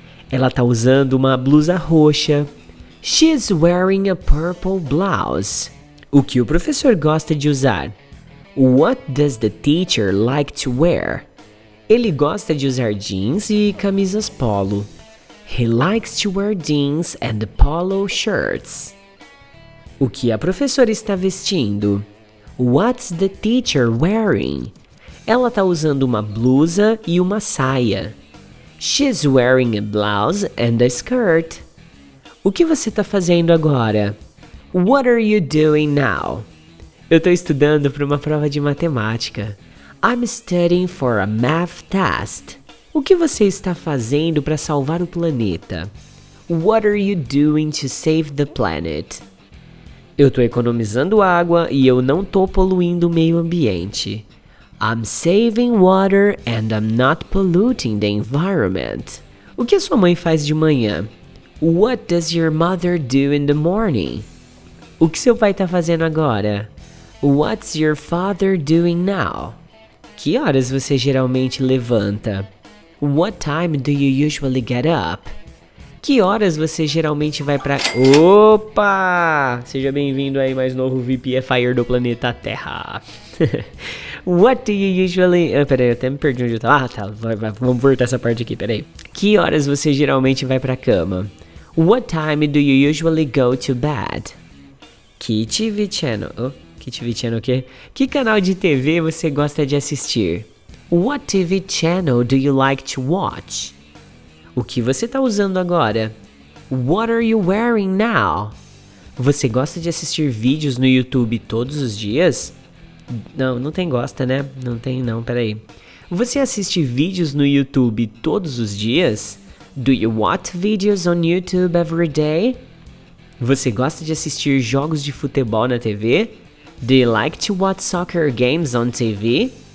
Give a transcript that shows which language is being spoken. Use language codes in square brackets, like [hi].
[pt] Ela tá usando uma blusa roxa. [en] She's wearing a purple blouse. [pt] O que o professor gosta de usar? [en] What does the teacher like to wear? [pt] Ele gosta de usar jeans e camisas polo. [en] He likes to wear jeans and polo shirts. [pt] O que a professora está vestindo? [en] What's the teacher wearing? [pt] Ela está usando uma blusa e uma saia. [en] She's wearing a blouse and a skirt. [pt] O que você está fazendo agora? [en] What are you doing now? [pt] Eu estou estudando para uma prova de matemática. [en] I'm studying for a math test. [pt] O que você está fazendo para salvar o planeta? [en] What are you doing to save the planet? [pt] Eu estou economizando água e eu não estou poluindo o meio ambiente. [en] I'm saving water and I'm not polluting the environment. [pt] O que a sua mãe faz de manhã? [en] What does your mother do in the morning? [pt] O que seu pai está fazendo agora? [en] What's your father doing now? [pt] Que horas você geralmente levanta? [en] What time do you usually get up? [pt] Que horas você geralmente vai pra... Opa! Seja bem-vindo aí, mais novo VPFIer do planeta Terra. [en] What do you usually... [pt] Peraí, eu até me perdi onde eu tava. Ah, tá. Vamos voltar essa parte aqui, peraí. Que horas você geralmente vai pra cama? [en] What time do you usually go to bed? [pt] Que TV channel... Oh, que TV channel o quê? Que canal de TV você gosta de assistir? [en] What TV channel do you like to watch? [pt] O que você tá usando agora? [en] What are you wearing now? [pt] Você gosta de assistir vídeos no YouTube todos os dias? Não, não tem gosta, né? Não tem não, peraí. Você assiste vídeos no YouTube todos os dias? [en] Do you watch videos on YouTube every day? [pt] Você gosta de assistir jogos de futebol na TV? [en] Do you like to watch soccer games on TV?